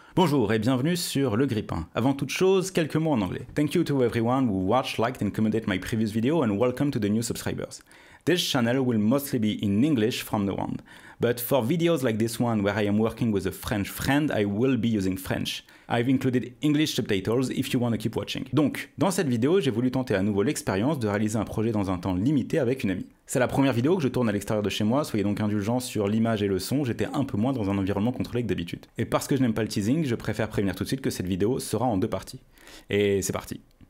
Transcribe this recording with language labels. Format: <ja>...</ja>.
<fr>Bonjour et bienvenue sur Le Grippin. Avant toute chose, quelques mots en anglais.</fr> <en>Thank you to everyone who watched, liked and commented my previous video and welcome to the new subscribers. This channel will mostly be in English from now on. But for videos like this one where I am working with a French friend, I will be using French. I've included English subtitles if you want to keep watching.</en> <fr>Donc, dans cette vidéo, j'ai voulu tenter à nouveau l'expérience de réaliser un projet dans un temps limité avec une amie. C'est la première vidéo que je tourne à l'extérieur de chez moi, soyez donc indulgents sur l'image et le son, j'étais un peu moins dans un environnement contrôlé que d'habitude. Et parce que je n'aime pas le teasing, je préfère prévenir tout de suite que cette vidéo sera en deux parties. Et c'est parti.</fr>